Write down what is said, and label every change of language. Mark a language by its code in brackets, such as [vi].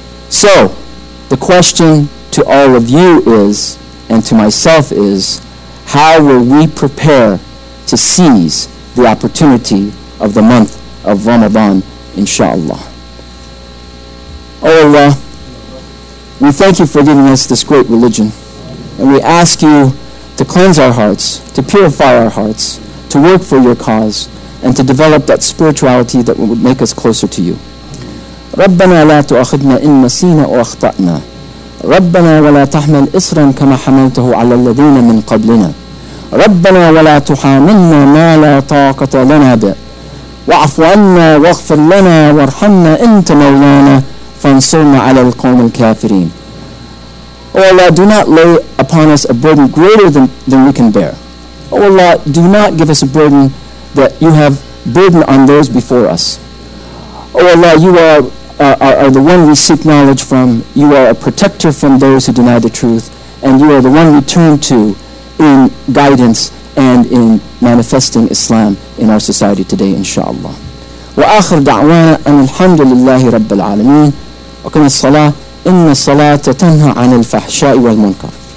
[en] So, the question to all of you is, and to myself is, how will we prepare to seize the opportunity of the month of Ramadan, inshallah? Oh Allah, we thank you for giving us this great religion, and we ask you to cleanse our hearts, to purify our hearts, to work for your cause, and to develop that spirituality that would make us closer to you. [ar] ربنا لا تؤاخذنا إن نسينا أو أخطأنا. ربنا ولا تحمل إصرا كما حملته على الذين من قبلنا. ربنا ولا تحاملنا ما لا طاقة لنا به. واعف عنا واغفر لنا وارحمنا أنت مولانا فانصرنا على القوم الكافرين. [en] O Allah, do not lay upon us a burden greater than we can bear. O Allah, do not give us a burden that you have burdened on those before us. O Allah, you are the one we seek knowledge from. You are a protector from those who deny the truth. And you are the one we turn to in guidance and in manifesting Islam in our society today, inshallah. [ar] وآخر دعوانا أن الحمد لله رب العالمين وكما الصلاة إن الصلاة تنهى عن الفحشاء والمنكر.